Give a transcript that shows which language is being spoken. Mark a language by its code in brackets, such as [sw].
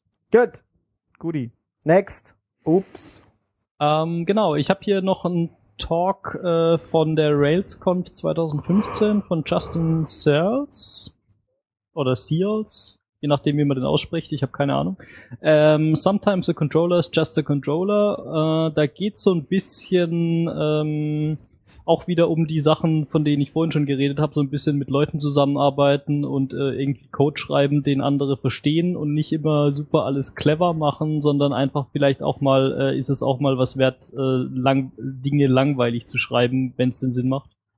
[de] Gut. [en] Goodie. Next. [de] Ups. Genau, ich habe hier noch einen Talk von der RailsConf 2015 von Justin Searles. Oder Searles, je nachdem, wie man den ausspricht. Ich habe keine Ahnung. [en] Sometimes a controller is just a controller. [de] Da geht so ein bisschen auch wieder um die Sachen, von denen ich vorhin schon geredet habe, so ein bisschen mit Leuten zusammenarbeiten und irgendwie Code schreiben, den andere verstehen und nicht immer super alles clever machen, sondern einfach vielleicht auch mal, ist es auch mal was wert, Dinge langweilig zu schreiben, wenn es den Sinn macht.